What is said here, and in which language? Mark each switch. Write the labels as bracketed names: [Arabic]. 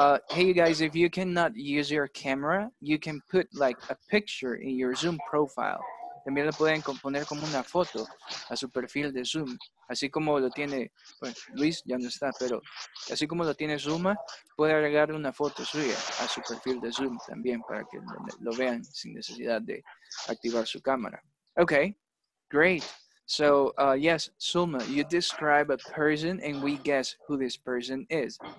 [English] Hey, you guys, if you cannot use your camera, you can put like a picture in your Zoom profile. [Spanish] También lo pueden componer como una foto a su perfil de Zoom. Así como lo tiene, pues, Luis ya no está, pero así como lo tiene Zuma, puede agregarle una foto suya a su perfil de Zoom también para que lo vean sin necesidad de activar su cámara. [English] Okay, great. So, yes, Zuma, you describe a person and we guess who this person is.